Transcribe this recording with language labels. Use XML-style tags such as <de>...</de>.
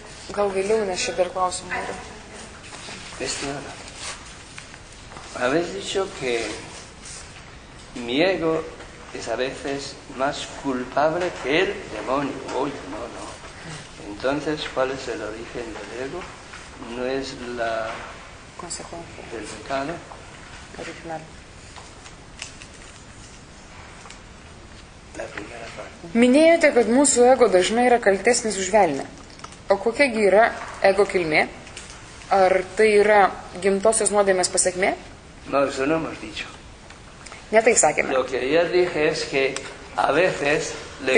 <lt>Gal vėliau, nes šiaip dar klausimų yra. Bestiada.</lt> <es>Habéis dicho que mi ego es a veces más culpable que el demonio. Oye, no, no. Entonces, ¿cuál es el origen del ego? No es la consecuencia del pecado original. La primera parte.</es> <lt>Minėjote, kad mūsų ego dažnai yra kaltesnis už velnią. O kokia gi yra ego kilmė? Ar tai yra gimtosios nuodėmės pasekmė?</lt> <es>No, eso no hemos dicho.</es> <lt>Ne tai sakėme.</lt> <es>Lo que ayer dije es que a veces le</es>